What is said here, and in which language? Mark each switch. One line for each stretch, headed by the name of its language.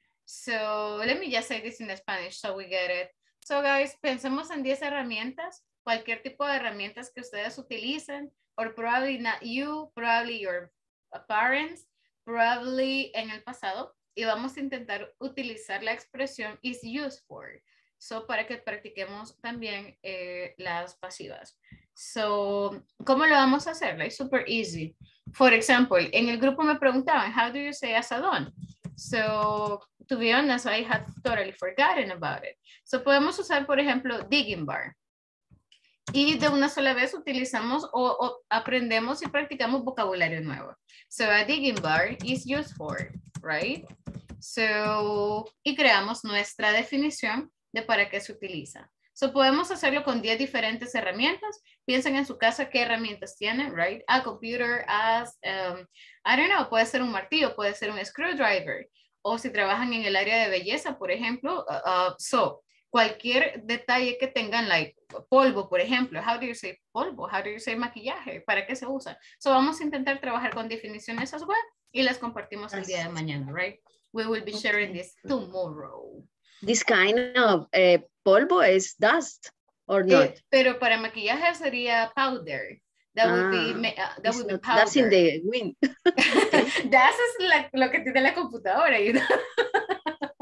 English: So let me just say this in Spanish so we get it. So guys,
Spanish: pensemos en 10 herramientas, cualquier tipo de herramientas que ustedes utilicen,
English: or probably not you, probably your parents, probably
Spanish: en el pasado, y vamos a intentar utilizar la expresión
English: is used for,
Spanish: so para que practiquemos también las pasivas. So, ¿cómo lo vamos a hacer?
English: Like, super easy. For example,
Spanish: en el grupo me preguntaban,
English: how do you say asadón? So, to be honest, I had totally forgotten about it.
Spanish: So, podemos usar, por ejemplo, digging bar. Y de una sola vez utilizamos o aprendemos y practicamos vocabulario nuevo.
English: So, a digging bar is used for, right? So,
Spanish: y creamos nuestra definición de para qué se utiliza. So, podemos hacerlo con 10 diferentes herramientas. Piensen en su casa qué herramientas tienen,
English: right? A computer, I don't know,
Spanish: puede ser un martillo, puede ser un screwdriver. o si trabajan en el área de belleza, por ejemplo. So, cualquier detalle que tengan, like polvo, por ejemplo.
English: How do you say polvo? How do you say maquillaje?
Spanish: ¿Para qué se usa? So, vamos a intentar trabajar con definiciones
English: as well
Spanish: y las compartimos el día de mañana,
English: right? We will be sharing this tomorrow. This kind of polvo is dust or not? Yeah,
Spanish: pero para maquillaje sería
English: powder. That would be powder. That's in the wind. That's just like
Spanish: lo que tiene la computadora,
English: you know?